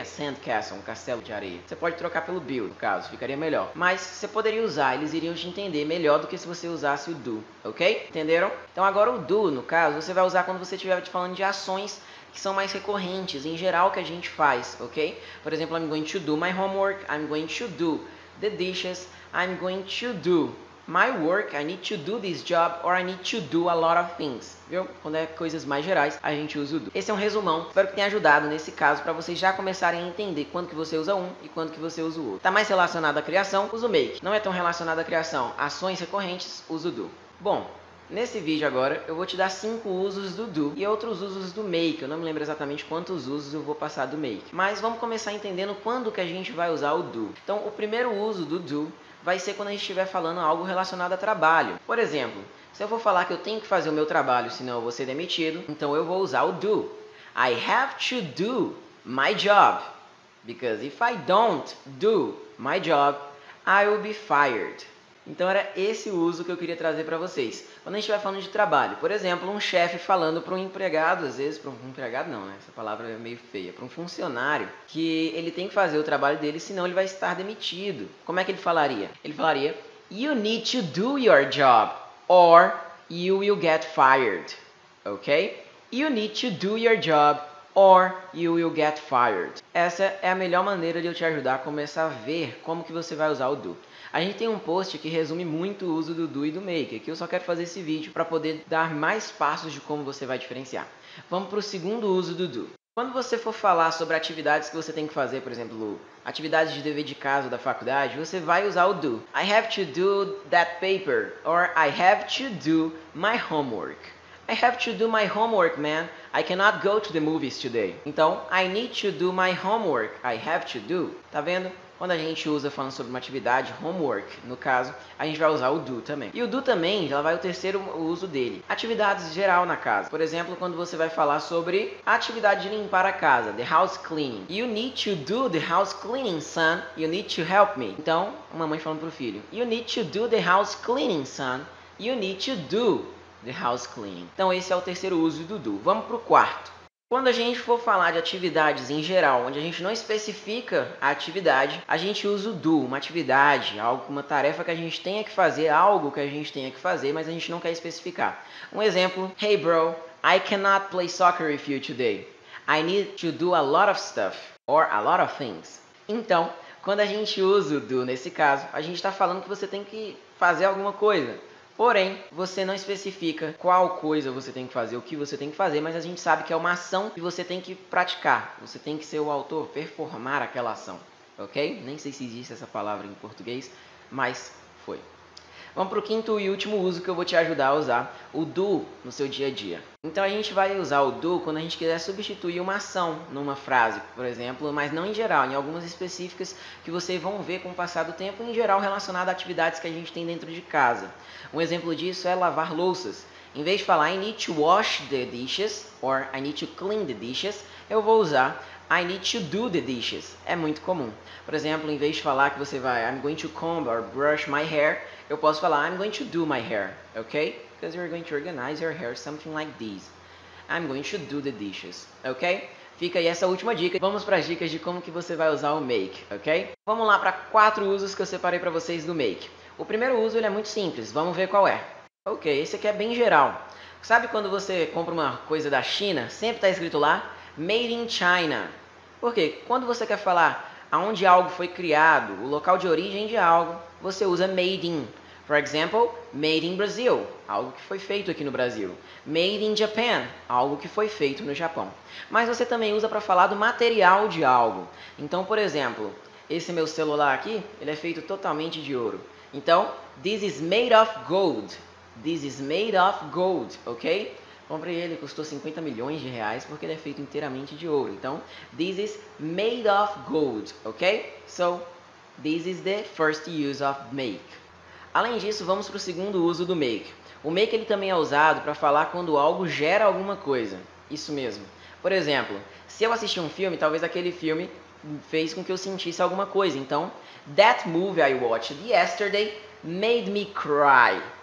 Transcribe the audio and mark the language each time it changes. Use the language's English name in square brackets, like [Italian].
[English] A sand castle, [Portuguese] um castelo de areia. Você pode trocar pelo build, no caso, ficaria melhor. Mas você poderia usar, eles iriam te entender melhor do que se você usasse o do, ok? Entenderam? Então agora o do, no caso, você vai usar quando você estiver te falando de ações que são mais recorrentes, em geral, que a gente faz, ok? Por exemplo, [English] I'm going to do my homework, I'm going to do the dishes, I'm going to do my work, I need to do this job, or I need to do a lot of things, [Portuguese] viu? Quando é coisas mais gerais, a gente usa o do. Esse é um resumão, espero que tenha ajudado nesse caso, para vocês já começarem a entender quando que você usa um e quando que você usa o outro. Tá mais relacionado à criação, usa o make. Não é tão relacionado à criação, ações recorrentes, usa o do. Bom, nesse vídeo agora, eu vou te dar 5 usos do do e outros usos do make. Eu não me lembro exatamente quantos usos eu vou passar do make. Mas vamos começar entendendo quando que a gente vai usar o do. Então, o primeiro uso do do vai ser quando a gente estiver falando algo relacionado a trabalho. Por exemplo, se eu for falar que eu tenho que fazer o meu trabalho, senão eu vou ser demitido, então eu vou usar o do. [English] I have to do my job. Because if I don't do my job, I will be fired. [Portuguese] Então era esse o uso que eu queria trazer para vocês. Quando a gente vai falando de trabalho, por exemplo, um chefe falando para um empregado, às vezes, para um empregado não, né? Essa palavra é meio feia, para um funcionário, que ele tem que fazer o trabalho dele, senão ele vai estar demitido. Como é que ele falaria? Ele falaria, [English] you need to do your job, or you will get fired, ok? You need to do your job, or you will get fired. [Portuguese] Essa é a melhor maneira de eu te ajudar a começar a ver como que você vai usar o do. A gente tem um post que resume muito o uso do do e do make. Aqui eu só quero fazer esse vídeo para poder dar mais passos de como você vai diferenciar. Vamos para o segundo uso do do. Quando você for falar sobre atividades que você tem que fazer, por exemplo, atividades de dever de casa da faculdade, você vai usar o do. [English] I have to do that paper. Or I have to do my homework. I have to do my homework, man. I cannot go to the movies today. Então, I need to do my homework. I have to do. [Portuguese] Tá vendo? Quando a gente usa falando sobre uma atividade, homework, no caso, a gente vai usar o do também. E o do também, ela vai o terceiro uso dele. Atividades geral na casa. Por exemplo, quando você vai falar sobre a atividade de limpar a casa, [English] the house cleaning. You need to do the house cleaning, son. You need to help me. [Portuguese] Então, uma mãe falando pro filho. [English] You need to do the house cleaning, son. You need to do the house cleaning. [Portuguese] Então, esse é o terceiro uso do do. Vamos pro quarto. Quando a gente for falar de atividades em geral, onde a gente não especifica a atividade, a gente usa o do, uma atividade, algo, uma tarefa que a gente tenha que fazer, algo que a gente tenha que fazer, mas a gente não quer especificar. Um exemplo, [English] hey bro, I cannot play soccer with you today. I need to do a lot of stuff, or a lot of things. [Portuguese] Então, quando a gente usa o do nesse caso, a gente está falando que você tem que fazer alguma coisa. Porém, você não especifica qual coisa você tem que fazer, o que você tem que fazer, mas a gente sabe que é uma ação que você tem que praticar. Você tem que ser o autor, performar aquela ação, ok? Nem sei se existe essa palavra em português, mas foi. Vamos para o quinto e último uso que eu vou te ajudar a usar, o do no seu dia a dia. Então a gente vai usar o do quando a gente quiser substituir uma ação numa frase, por exemplo, mas não em geral, em algumas específicas que vocês vão ver com o passar do tempo, em geral relacionado a atividades que a gente tem dentro de casa. Um exemplo disso é lavar louças. Em vez de falar [English] I need to wash the dishes, [Portuguese] or I need to clean the dishes, eu vou usar [English] I need to do the dishes. [Portuguese] É muito comum. Por exemplo, em vez de falar que você vai, [English] I'm going to comb or brush my hair, [Portuguese] eu posso falar, [English] I'm going to do my hair, ok? Because you're going to organize your hair, something like this. I'm going to do the dishes, ok? [Portuguese] Fica aí essa última dica. Vamos para as dicas de como que você vai usar o make, ok? Vamos lá para 4 usos que eu separei para vocês do make. O primeiro uso, ele é muito simples. Vamos ver qual é. Ok, esse aqui é bem geral. Sabe quando você compra uma coisa da China, sempre está escrito lá, Made in China. Por quê? Quando você quer falar aonde algo foi criado, o local de origem de algo, você usa made in. [English] For example, made in Brazil, [Portuguese] algo que foi feito aqui no Brasil. Made in Japan, algo que foi feito no Japão. Mas você também usa para falar do material de algo. Então, por exemplo, esse meu celular aqui, ele é feito totalmente de ouro. [English] Então, this is made of gold. This is made of gold, ok? [Portuguese] Comprei ele, custou 50 milhões de reais porque ele é feito inteiramente de ouro. [English] Então, this is made of gold, ok? So, this is the first use of make. [Portuguese] Além disso, vamos para o segundo uso do make. O make, ele também é usado para falar quando algo gera alguma coisa. Isso mesmo. Por exemplo, se eu assisti um filme, talvez aquele filme fez com que eu sentisse alguma coisa. [English] Então, that movie I watched yesterday made me cry.